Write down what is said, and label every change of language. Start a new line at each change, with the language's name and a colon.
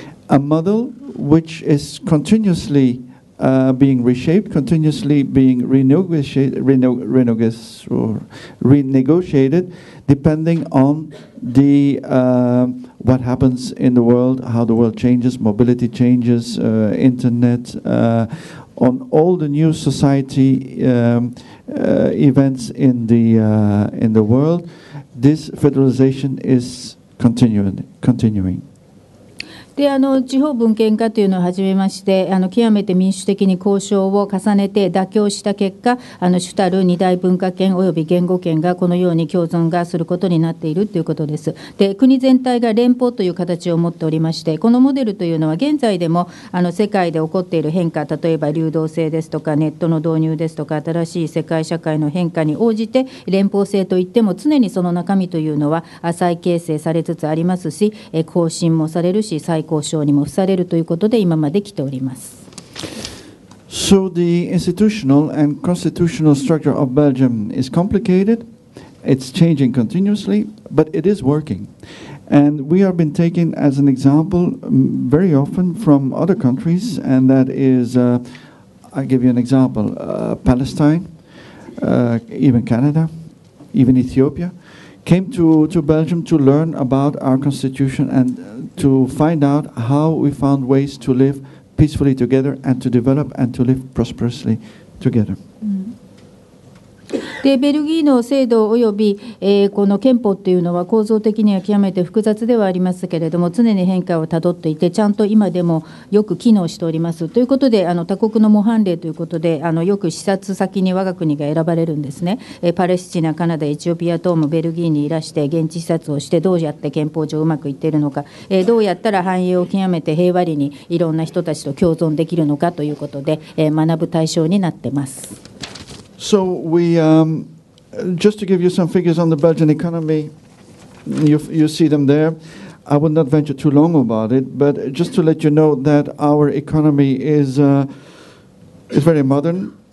English: A model which is continuously being reshaped, continuously being renegotiated, depending on the what happens in the world, how the world changes, mobility changes, internet, on all the new society events in the world. This federalization is continuing.
Japanese: であの地方分権化というのを始めまして、あの極めて民主的に交渉を重ねて妥協した結果、あの主たる二大文化圏および言語圏がこのように共存がすることになっているということです。で国全体が連邦という形を持っておりまして、このモデルというのは現在でもあの世界で起こっている変化、例えば流動性ですとかネットの導入ですとか新しい世界社会の変化に応じて連邦制といっても、常にその中身というのは再形成されつつありますし、更新もされるし交渉にも付されるということで今まで来ております。
English: So the institutional and constitutional structure of Belgium is complicated. It's changing continuously, but it is working. And we have been taken as an example very often from other countries, and that is, I'll give you an example, Palestine, even Canada, even Ethiopia. Came to Belgium to learn about our constitution and to find out how we found ways to live peacefully together and to develop and to live prosperously together.
Japanese: でベルギーの制度および、この憲法というのは構造的には極めて複雑ではありますけれども、常に変化をたどっていて、ちゃんと今でもよく機能しておりますということで、あの他国の模範例ということで、あのよく視察先に我が国が選ばれるんですね。パレスチナ、カナダ、エチオピア等もベルギーにいらして現地視察をして、どうやって憲法上うまくいっているのか、どうやったら繁栄を極めて平和にいろんな人たちと共存できるのかということで、学ぶ対象になっています。
English: So we, just to give you some figures on the Belgian economy, you see them there. I would not venture too long about it, but just to let you know that our economy is very modern.